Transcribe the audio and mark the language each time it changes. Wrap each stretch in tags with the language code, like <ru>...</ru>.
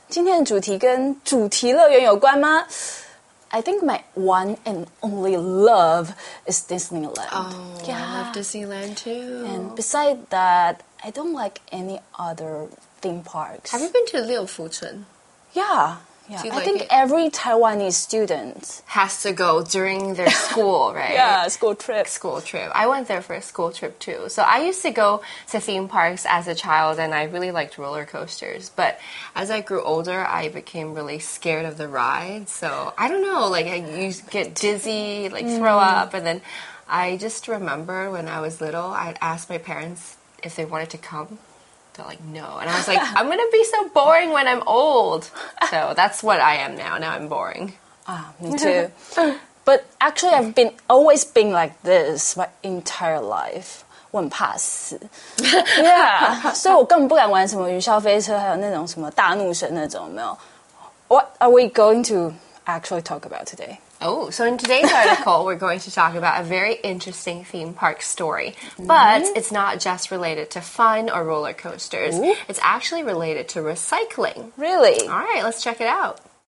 <zh>今天的主题跟主题乐园有关吗？</zh> <en>I think my one and only love is Disneyland. Oh, I love Disneyland too. And beside that, I don't like any other theme parks. Have you been to 六福村? Yeah. Yeah, like I think every Taiwanese student has to go during their school, right? Yeah, school trip. School trip. I went there for a school trip too. So I used to go to theme parks as a child and I really liked roller coasters. But as I grew older, I became really scared of the ride. So I don't know, like you get dizzy, like throw up. And then I just remember when I was little, I'd ask my parents if they wanted to come. They're like, no. And I was like, I'm going to be so boring when I'm old. So that's what I am now. Now I'm boring. Ah, me too. But actually, I've been always been like this my entire life.</en> <zh>我很怕死。Yeah. 所以我根本不敢玩什么云霄飞车还有那种什么大怒神那种，没有。</zh> <en>What are we going to actually talk about today? Oh, so in today's article, we're going to talk about a very interesting theme park story. But it's not just related to fun or roller coasters. Ooh. It's actually related to recycling. Really? All right, let's check it out.</en>